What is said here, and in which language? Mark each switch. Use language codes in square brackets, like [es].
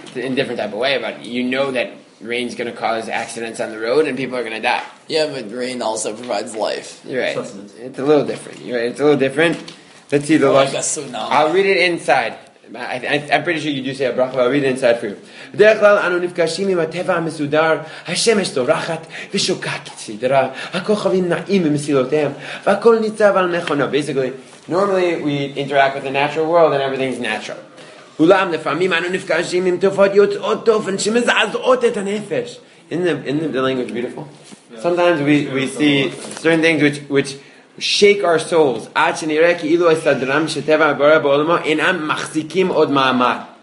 [en] In a different type of way, but you know that rain's going to cause accidents on the road and people are going to die. Yeah, but rain also provides life. You're right. It's a little different. You're right. It's a little different. Let's see the last. Like a tsunami. I'll read it inside. I'm pretty sure you do say a bracha, but I'll read it inside for you. [he] בדרך כלל אנו נפגשים עם הטבע המסודר, השמש תורחת ושוקעת סדרה, הכוכבים נעים במסילותיהם, והכל ניצב על מכונו. [en] Basically, normally we interact with the natural world and everything's natural. [he] אולם לפעמים אנו נפגשים עם תופעות יוצאות דופן שמזעזעות את הנפש. [en] Isn't the language beautiful? Sometimes we see certain things which shake our souls. [he] עד שנראה כאילו הסדרם שטבע מבורא בעולמו אינם מחזיקים עוד מעמד.